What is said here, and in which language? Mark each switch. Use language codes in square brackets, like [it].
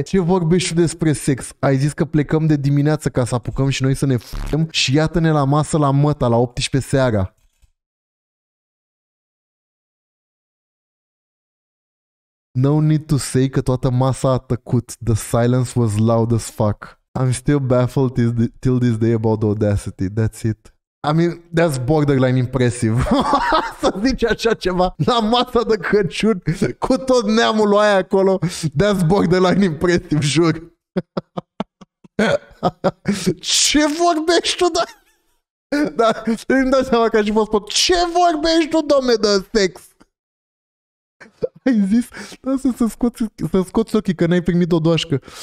[ro] Ce vorbești tu despre sex? Ai zis că plecăm de dimineață ca să apucăm și noi să ne f***ăm și iată-ne la masă la măta la 18 seara. [en] No need to say [ro] că toată masa a tăcut. [en] The silence was loud as fuck. I'm still baffled till this day about the audacity. That's it. I mean, that's borderline impressive. [ro] Să zici așa ceva la masa de Crăciun cu tot neamul lui aia acolo. [en] That's borderline impressive, [ro] jur. Ce vorbești tu, da? Da, îmi dai seama că și fost pot. Ce vorbești tu, domne, de sex? Ai zis, da, să scoți ochii că n-ai primit o doașcă.